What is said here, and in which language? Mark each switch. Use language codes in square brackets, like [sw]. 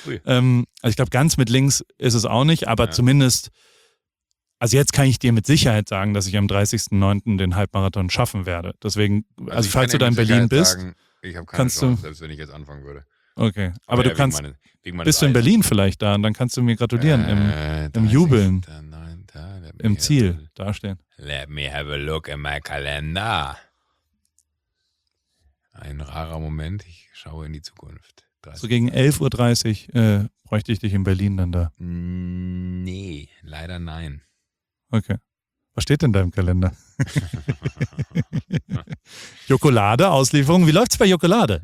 [de] Also ich glaube, ganz mit links ist es auch nicht, aber zumindest, also jetzt kann ich dir mit Sicherheit sagen, dass ich am 30.09. den Halbmarathon schaffen werde. Deswegen, also ich falls du da in Berlin bist, sagen, ich habe keine Chance, selbst wenn ich jetzt anfangen würde. Okay, aber ja, du kannst, wegen bist du in Berlin vielleicht da und dann kannst du mir gratulieren im Jubeln. Im Ziel dastehen. [en] Let me have a look in my calendar. [de] Ein rarer Moment, ich schaue in die Zukunft. 30. So gegen 11.30 Uhr bräuchte ich dich in Berlin dann da. Nee, leider nein. Okay. Was steht denn da im Kalender? Jokolade, Auslieferung. Wie läuft's bei Jokolade?